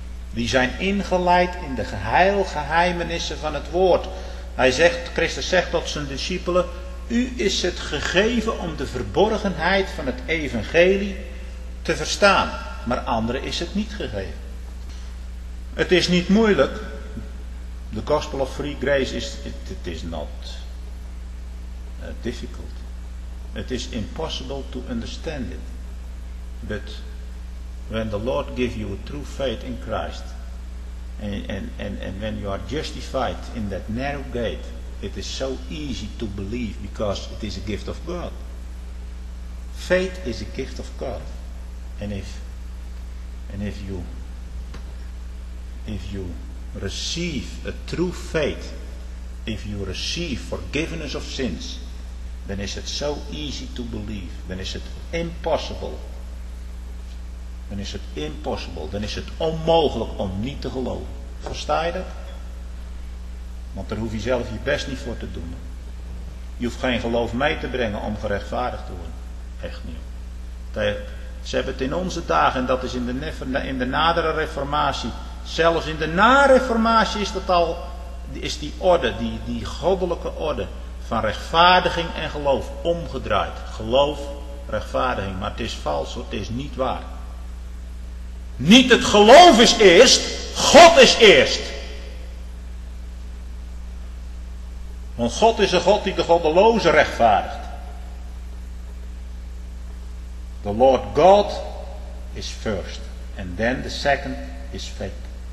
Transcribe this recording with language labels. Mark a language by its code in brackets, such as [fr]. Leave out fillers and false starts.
[nl] Die zijn ingeleid in de geheimenissen van het woord. Hij zegt, Christus zegt tot zijn discipelen: u is het gegeven om de verborgenheid van het evangelie te verstaan. Maar anderen is het niet gegeven. Het is niet moeilijk. [en] The gospel of free grace is, it is not difficult. It is impossible to understand it. But when the Lord gives you a true faith in Christ, and when you are justified in that narrow gate, it is so easy to believe, because it is a gift of God. Faith is a gift of God. And if you receive a true faith, if you receive forgiveness of sins, then is it so easy to believe, then is it impossible. [nl] Dan is het impossible, dan is het onmogelijk om niet te geloven. Versta je dat? Want daar hoef je zelf je best niet voor te doen. Je hoeft geen geloof mee te brengen om gerechtvaardigd te worden. Echt niet. Ze hebben het in onze dagen, en dat is in de nadere reformatie, zelfs in de na-reformatie is dat al, is die orde, die goddelijke orde van rechtvaardiging en geloof omgedraaid. Geloof, rechtvaardiging, maar het is vals hoor, het is niet waar. Niet het geloof is eerst, God is eerst. Want God is een God die de goddeloze rechtvaardigt. [en] The Lord God is first, and then the second is faith.